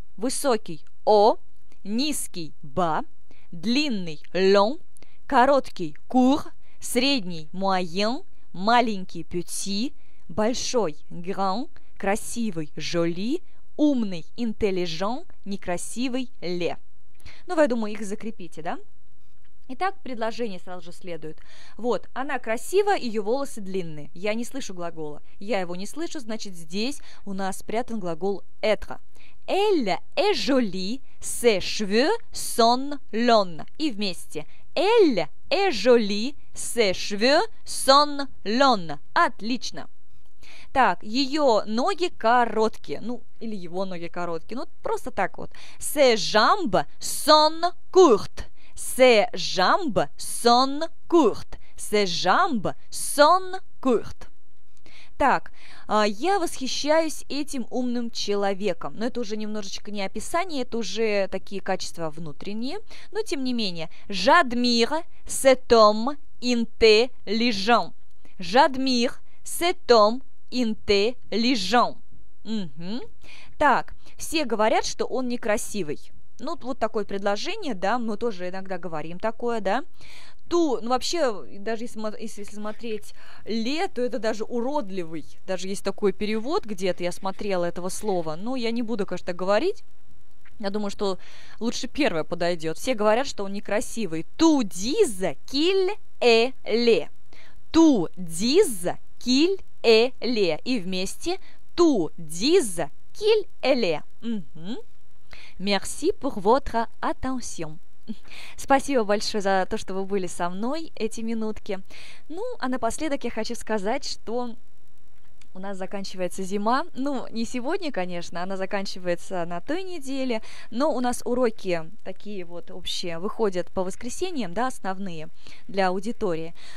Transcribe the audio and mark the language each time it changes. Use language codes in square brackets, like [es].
[ru] Высокий – о, низкий – ба, длинный – лон, короткий – кур, средний – муаен, маленький – пети, большой – гран, красивый – жоли, умный – интеллижон, некрасивый – ле. Ну, вы, я думаю, их закрепите, да? Итак, предложение сразу же следует. Вот, она красива, ее волосы длинные. Я не слышу глагола. Я его не слышу, значит, здесь у нас спрятан глагол être. [fr] Elle est jolie, ses cheveux sont longs. [ru] И вместе. [fr] Elle est jolie, ses cheveux sont longs. [ru] Отлично. Так, ее ноги короткие. Ну, или его ноги короткие. Ну, просто так вот. [fr] Ses jambes sont courtes. Ses jambes sont courtes. Ses jambes sont courtes. [ru] Так, я восхищаюсь этим умным человеком. Но это уже немножечко не описание, это уже такие качества внутренние. Но тем не менее. [fr] J'admire cet homme intelligent. J'admire cet homme intelligent. [ru] Угу. Так, все говорят, что он некрасивый. Ну, вот такое предложение, да, мы тоже иногда говорим такое, да. Ту, ну, вообще, даже если смотреть «ле», то это даже «уродливый». Даже есть такой перевод где-то, я смотрела этого слова. Ну, я не буду, конечно, так говорить. Я думаю, что лучше первое подойдет. Все говорят, что он некрасивый. [fr] «Ту диза киль э ле». «Ту диза киль э ле». [ru] И вместе [fr] «ту диза киль э ле». [ru] Угу. [fr] Merci pour votre attention. [ru] Спасибо большое за то, что вы были со мной эти минутки. Ну, а напоследок я хочу сказать, что у нас заканчивается зима. Ну, не сегодня, конечно, она заканчивается на той неделе, но у нас уроки такие вот общие выходят по воскресеньям, да, основные для аудитории.